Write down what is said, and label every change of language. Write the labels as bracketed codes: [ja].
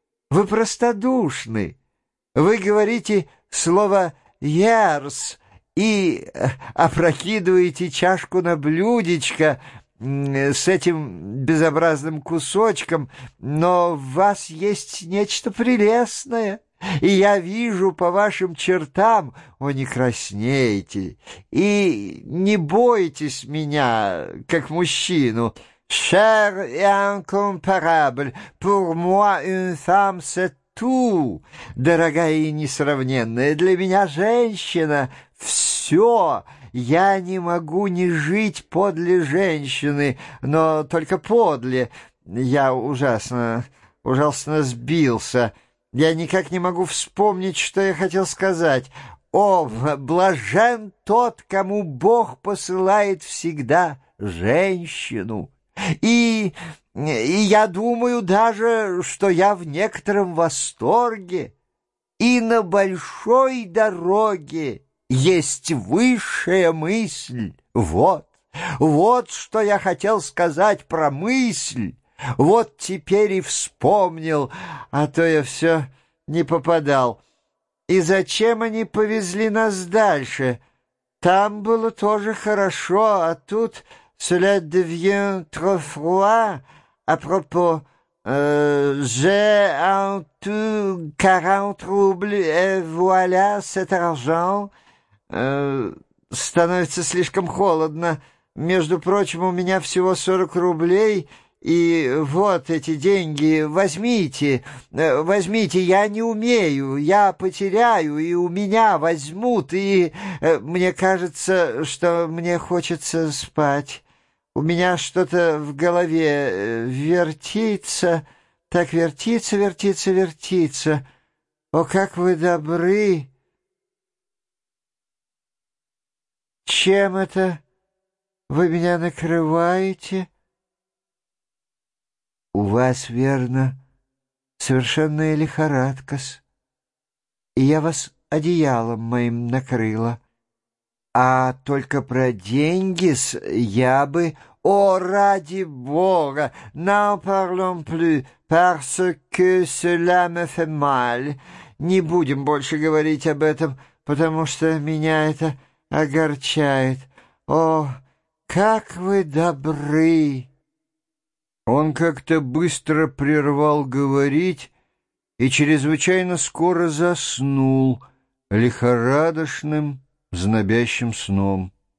[ru] Вы простодушны. Вы говорите слово «ярс» и опрокидываете чашку на блюдечко с этим безобразным кусочком, но в вас есть нечто прелестное. И я вижу по вашим чертам, о, не краснейте, и не бойтесь меня, как мужчину. [fr] «Cher et incomparable, pour moi une femme, c'est [ru] ту, дорогая и несравненная для меня женщина, все, я не могу не жить подле женщины, но только подле, я ужасно сбился, я никак не могу вспомнить, что я хотел сказать. О, блажен тот, кому Бог посылает всегда женщину, и я думаю даже, что я в некотором восторге, и на большой дороге есть высшая мысль, вот что я хотел сказать про мысль, вот теперь и вспомнил, а то я все не попадал. И зачем они повезли нас дальше? Там было тоже хорошо, а тут [fr] «cela devient trop froid». À propos, j'ai en tout 40 roubles et voilà cet argent. [ru] Становится слишком холодно. Между прочим, у меня всего 40 рублей, и вот эти деньги. Возьмите, я не умею, я потеряю, и у меня возьмут, и мне кажется, что мне хочется спать. У меня что-то в голове вертится, так вертится. О, как вы добры! Чем это вы меня накрываете? У вас, верно, совершенная лихорадка-с, и я вас одеялом моим накрыла. А только про деньги-с я бы... О, ради Бога! [fr] N'en parlons plus, parce que cela me fait mal. [ru] Не будем больше говорить об этом, потому что меня это огорчает. О, как вы добры! Он как-то быстро прервал говорить и чрезвычайно скоро заснул лихорадочным, знобящим сном.